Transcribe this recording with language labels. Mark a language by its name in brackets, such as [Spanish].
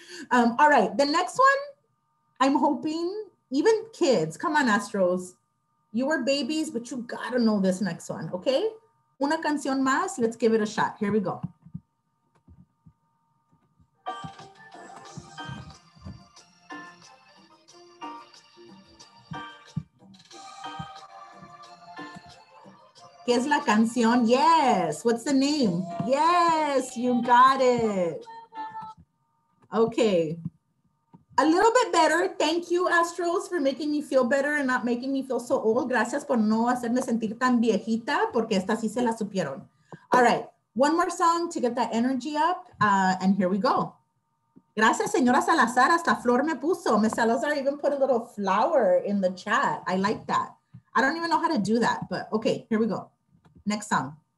[English] all right, the next one, I'm hoping, even kids, come on, Astros. You were babies, but you gotta know this next one, okay? [Spanish] Una canción más, [English] let's give it a shot. Here we go. [Spanish] ¿Qué es la canción? [English] Yes, what's the name? Yes, you got it. Okay. A little bit better. Thank you, Astros, for making me feel better and not making me feel so old. [Spanish] Gracias por no hacerme sentir tan viejita, porque esta sí se la supieron. [English] All right, one more song to get that energy up, and here we go. [Spanish] Gracias, señora Salazar, hasta flor me puso. [English] Ms. Salazar even put a little flower in the chat. I like that. I don't even know how to do that, but okay, here we go. Next song.